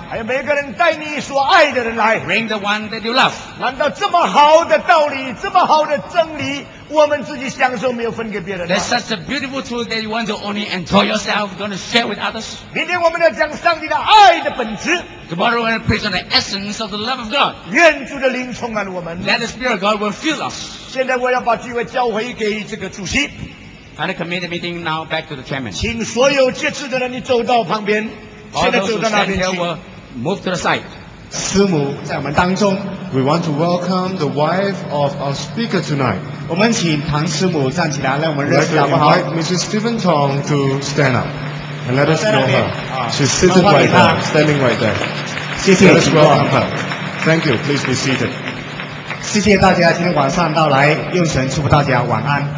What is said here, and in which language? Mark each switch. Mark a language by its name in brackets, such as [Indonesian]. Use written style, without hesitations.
[Chinese] 还有每一个人带你所爱的人来 [English] Bring the one that you love [Chinese] 难道这么好的道理这么好的真理我们自己享受没有分给别人 [English] There's such a beautiful truth that you want to only enjoy yourself don't share with others [Chinese] 明天我们要讲上帝的爱的本质 [English] Tomorrow we're going to preach on the essence of the love of God. [Chinese] 愿主的灵充满我们。 [English] Let the Spirit of God will fill us. [Chinese] 现在我要把聚会交回给这个主席。 [English] I'm going to commit the meeting now back to the chairman. [Chinese] 请所有接次的人你走到旁边。 [English] All those who stand here will move to the side. [Chinese] 师母在我们当中。 [English] We want to welcome the wife of our speaker tonight. [Chinese] 我们请唐师母站起来让我们认识好不好 [English] We'd like to invite Mrs. Stephen Tong to stand up. And let us know her. She's sitting right there, standing right there. [Chinese] 谢谢 [English] let us welcome her. Thank you. Please be seated. [Chinese] 谢谢大家今天晚上到来，用神祝福大家晚安。